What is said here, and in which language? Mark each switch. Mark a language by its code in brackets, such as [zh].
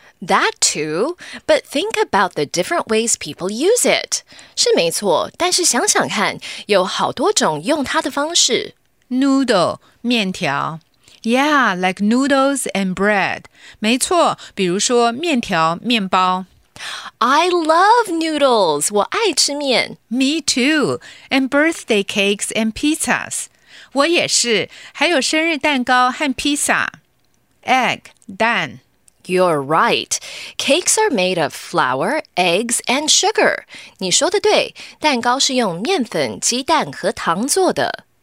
[en] That too. But think about the different ways people use it. [zh] 是没错，但是想想看，有好多种用它的方式。 [en] Noodle, 面条。Yeah, like noodles and bread. [zh] 没错，比如说面条、面包。 [en] I love noodles. [zh] 我爱吃面。 [en] Me too. And birthday cakes and pizzas. [zh] 我也是。还有生日蛋糕和披萨。Egg, 蛋。 [en] You're right. Cakes are made of flour, eggs, and sugar. [zh] 你说的对。蛋糕是用面粉、鸡蛋和糖做的。